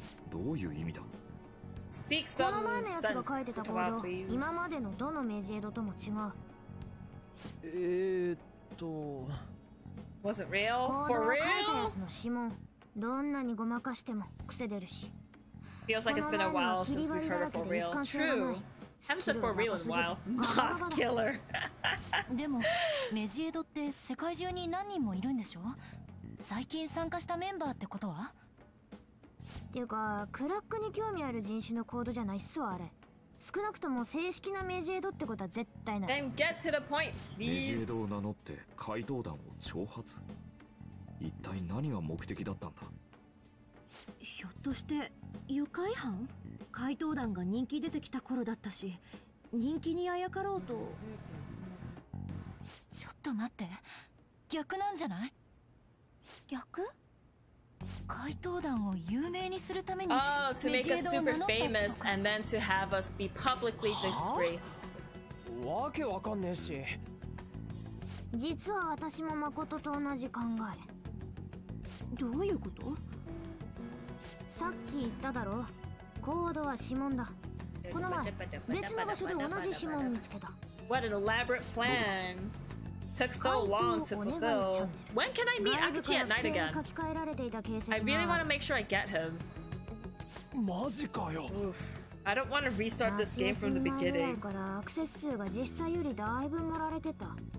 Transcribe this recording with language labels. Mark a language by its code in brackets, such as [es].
[ja] どういう意味だ？ [en] Speak some [ja] この前のやつが書いてた行動、今までのどのメジエドとも違う。 [en] Was it real? For real? [ja] 行動を書いたやつの指紋、どんなにごまかしても癖出るし。 [en] Feels like it's been a while since we heard it for real. True. Haven't said for real in a while. Moth killer. [ja] でもメジエドって世界中に何人もいるんでしょ？最近参加したメンバーってことは？っていうか、クラックに興味ある人種のコードじゃないっすわ、あれ。少なくとも正式なメジエドってことは絶対ない。 [en] Then get to the point, please. [ja] メジエドを名乗って怪盗団を挑発。一体何が目的だったんだ？ひょっとして愉快犯？怪盗団が人気出てきた頃だったし、人気にあやかろうと。ちょっと待って、逆なんじゃない？逆？怪盗団を有名にするために [en] 、oh, to make us super famous and then to have us be publicly disgraced. [ja] わけわかんねえし。実は私も誠と同じ考え。どういうこと？さっき言っただろ、コードは指紋だ。この前、別の場所で同じ指紋見つけた。 [en] What an elaborate plan! Took so long to fulfill. When can I meet Akichi at night again? I really want to make sure I get him. Oof. I don't want to restart this game from the beginning. [ja] からアクセス数が実際よりだいぶ盛られてた。